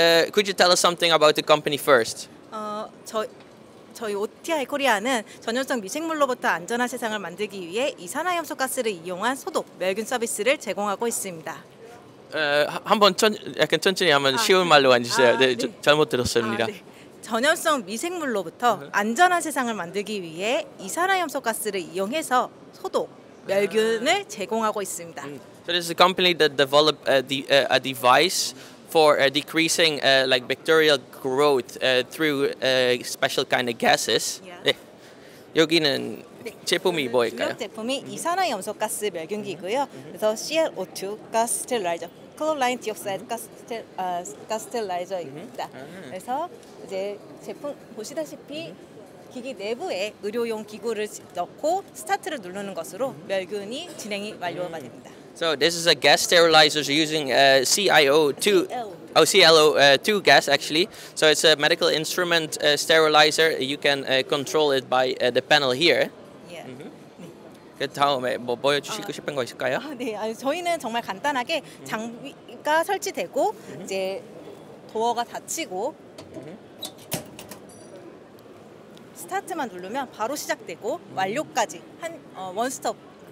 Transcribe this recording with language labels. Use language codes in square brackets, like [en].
[en] Could you tell us something about the company first? [ko] 저희 오티아이코리아는 전염성 미생물로부터 안전한 세상을 만들기 위해 이산화염소 가스를 이용한 소독, 멸균 서비스를 제공하고 있습니다. 한번 약간 천천히 한번 쉬운 말로 해주세요. 네, 잘못 들었습니다. 전염성 미생물로부터 안전한 세상을 만들기 위해 이산화염소 가스를 이용해서 소독, 멸균을 제공하고 있습니다. [en] So this is a company that developed a device for decreasing like bacterial growth through special kind of gases. Yeah. [ko] 네. 여기는 네. 제품이 뭐일까요? 주력 제품이 이산화염소 가스 멸균기고요. 그래서 CLO2 가스 스테라이저, 클로라인 디옥사이드 가스 스테라이저입니다. 그래서 이제 제품 보시다시피 기기 내부에 의료용 기구를 넣고 스타트를 누르는 것으로 멸균이 진행이 완료가 됩니다. [en] So this is a gas sterilizer using CLO2 gas actually. So it's a medical instrument sterilizer. You can control it by the panel here. Yeah. Mm-hmm. 네. [ko] 그 다음에 뭐 보여주시고 싶은 거 있을까요? 네, 아니, 저희는 정말 간단하게 장비가 설치되고 이제 도어가 닫히고 스타트만 누르면 바로 시작되고 완료까지 한 원스톱.